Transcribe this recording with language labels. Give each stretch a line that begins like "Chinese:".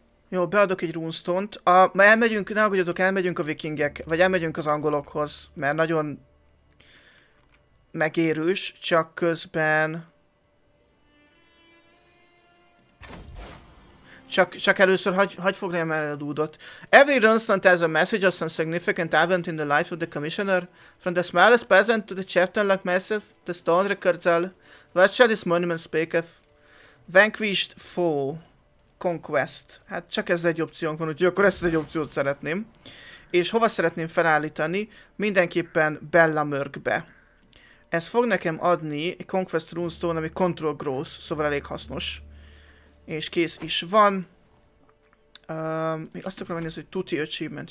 Hungarian: Jó, beadok egy runestone-t. Elmegyünk, ne aggódjatok, elmegyünk a vikingek, vagy elmegyünk az angolokhoz, mert nagyon megérős, csak közben... Csak először hagyj foglaljam el a dúdot.
English: Every runestone has a message of some significant event in the life of the commissioner. From the smallest peasant to the chieftain like myself, the stone records all. What shall this monument speak of? Vanquished foe. Conquest.
Hungarian: Hát csak ez egy opciónk van, úgyhogy akkor ezt egy opciót szeretném. És hova szeretném felállítani? Mindenképpen Bellamurgbe. Ez fog nekem adni egy Conquest Runestone, ami Control Growth, szóval elég hasznos. És kész is van. Még azt akarom nézni, hogy Tuti Achievement.